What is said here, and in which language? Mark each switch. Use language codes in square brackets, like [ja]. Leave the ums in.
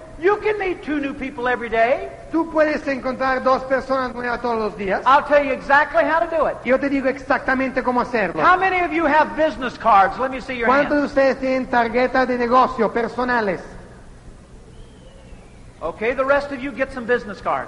[en] You can meet two new people every day. [es] Tú puedes encontrar dos personas nuevas todos los días. [en] I'll tell you exactly how to do it. [es] Yo te digo exactamente cómo hacerlo. [en] How many of you have business cards? Let me see your ¿Cuántos hands. [es] ¿Cuántos ustedes tienen tarjetas de negocio personales? [en] Okay, the rest of you get some business cards.